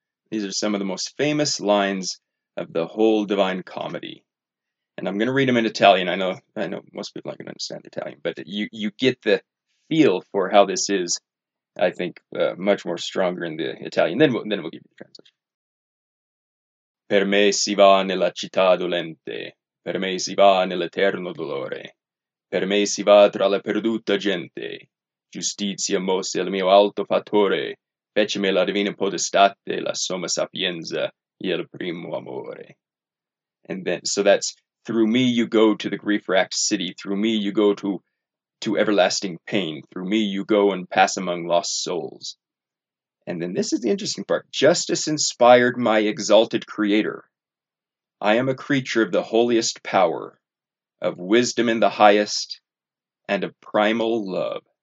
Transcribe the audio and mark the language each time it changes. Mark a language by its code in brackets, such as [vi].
[en] These are some of the most famous lines of the whole Divine Comedy. And I'm going to read them in Italian. I know most people aren't going to understand Italian, but you get the feel for how this is, I think, much more stronger in the Italian. Then we'll give you the translation. [it] Per me si va nella città dolente, per me si va nell'eterno dolore, per me si va tra la perduta gente, giustizia mosse il mio alto fattore, fece me la divina potestate, la somma sapienza, il primo amore. [en] And then, so that's, through me you go to the grief-racked city, through me you go to everlasting pain, through me you go and pass among lost souls. And then this is the interesting part. Justice inspired my exalted creator. I am a creature of the holiest power, of wisdom in the highest, and of primal love.